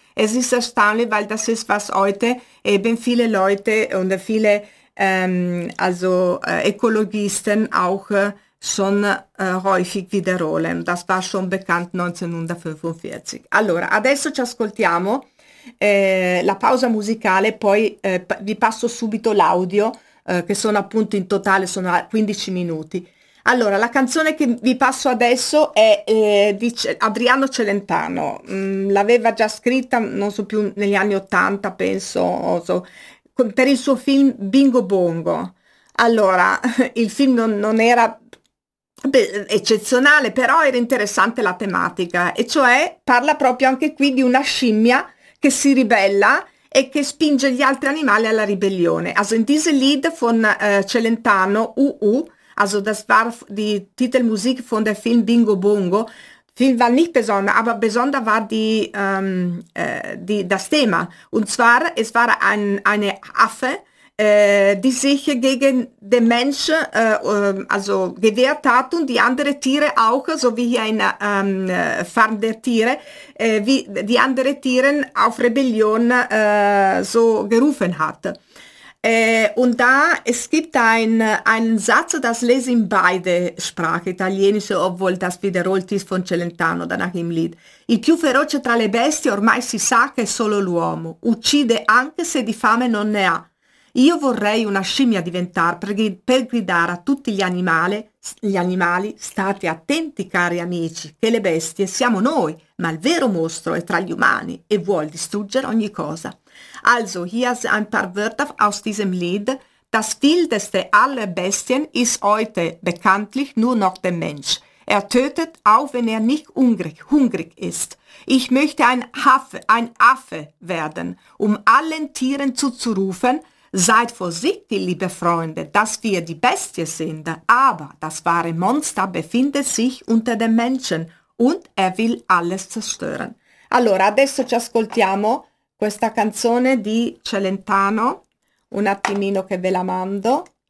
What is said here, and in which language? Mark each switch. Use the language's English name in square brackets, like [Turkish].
[German] Es ist erstaunlich, weil das ist, was heute eben viele Leute und viele Ökologisten auch schon häufig wiederholen. Das war schon bekannt 1945. [Italian] Allora, adesso ci ascoltiamo la pausa musicale, poi vi passo subito l'audio, che sono appunto in totale sono 15 minuti. Allora, la canzone che vi passo adesso è di Adriano Celentano. L'aveva già scritta, non so più, negli anni 80, penso, per il suo film Bingo Bongo. Allora, il film non era eccezionale, però era interessante la tematica, e cioè parla proprio anche qui di una scimmia che si ribella e che spinge gli altri animali alla ribellione. [German] Also in diese Lied von Celentano, also das war die Titelmusik von dem Film Bingo Bongo. Film war nicht besonders, aber besonders war das Thema. Und zwar, es war eine Affe, die sich gegen den Mensch gewehrt hat und die anderen Tiere auch, so wie hier in Farm der Tiere, wie die anderen Tiere auf Rebellion so gerufen hat. Und da, es gibt einen Satz, das lese in beide Sprachen, italienische, obwohl das wiederholt ist von Celentano, danach im Lied. [Italian] Il più feroce tra le bestie ormai si sa che è solo l'uomo, uccide anche se di fame non ne ha. Io vorrei una scimmia diventare per gridare a tutti gli animali, state attenti cari amici, che le bestie siamo noi, ma il vero mostro è tra gli umani e vuol distruggere ogni cosa. [German] Also, hier sind ein paar Wörter aus diesem Lied. Das wildeste aller Bestien ist heute bekanntlich nur noch der Mensch. Er tötet, auch wenn er nicht hungrig ist. Ich möchte ein Affe werden, um allen Tieren zuzurufen, seid vorsichtig, liebe Freunde, dass wir die Bestie sind. Aber das wahre Monster befindet sich unter den Menschen und er will alles zerstören. [Italian] Allora, adesso ci ascoltiamo questa canzone di Celentano, un attimino che ve la mando.